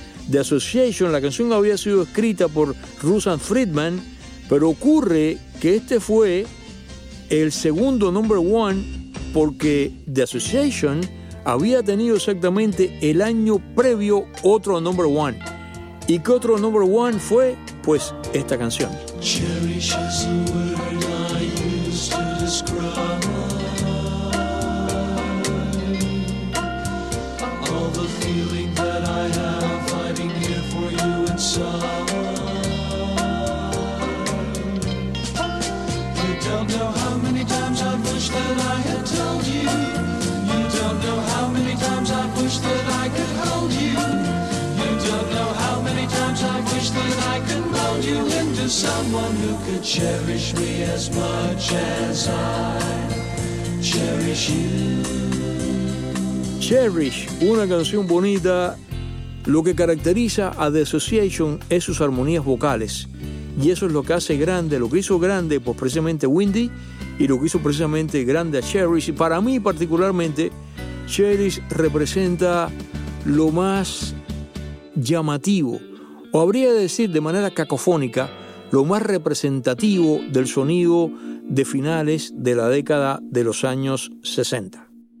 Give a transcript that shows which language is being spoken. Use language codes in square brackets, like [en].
[es] The Association, la canción había sido escrita por Russell Friedman, pero ocurre que este fue el segundo number one porque The Association había tenido exactamente el año previo otro number one. ¿Y qué otro number one fue? Pues esta canción. [en] Cherish is the word I use to describe all the feeling that I have hiding here for you inside. Someone who could cherish me as much as I cherish you. [es] Cherish, una canción bonita. Lo que caracteriza a The Association es sus armonías vocales. Y eso es lo que hace grande, lo que hizo grande, pues precisamente Windy, y lo que hizo precisamente grande a Cherish. Y para mí particularmente, Cherish representa lo más llamativo, o habría de decir de manera cacofónica, lo más representativo del sonido de finales de la década de los años 60.